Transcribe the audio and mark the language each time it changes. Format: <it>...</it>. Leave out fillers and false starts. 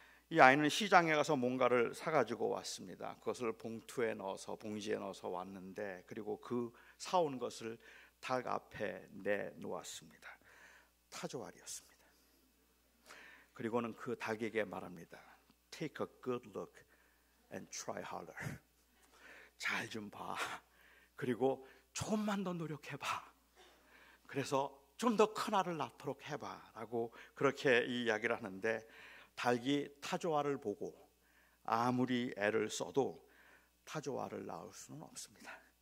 <ko>이 아이는 시장에 가서 뭔가를 사가지고 왔습니다. 그것을 봉투에 넣어서 봉지에 넣어서 왔는데 그리고 그 사온 것을 닭 앞에 내놓았습니다. 타조알이었습니다. 그리고는 그 닭에게 말합니다.</ko> <en>Take a good look and try harder.</en> <ko>잘 좀 봐. 그리고 조금만 더 노력해봐. 그래서 좀 더 큰 알을 낳도록 해봐. 라고 그렇게 이야기를 하는데 닭이 타조알을 보고 아무리 애를 써도 타조알을 낳을 수는 없습니다.</ko>